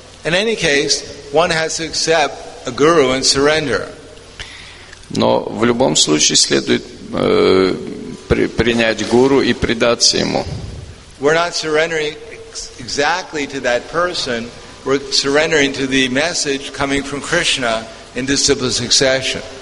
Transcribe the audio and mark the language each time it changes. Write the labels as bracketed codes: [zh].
[en] In any case, one has to accept a guru and surrender. [ru] Но в любом случае следует принять гуру и предаться ему. [en] We're not surrendering exactly to that person. We're surrendering to the message coming from Krishna in disciplic succession.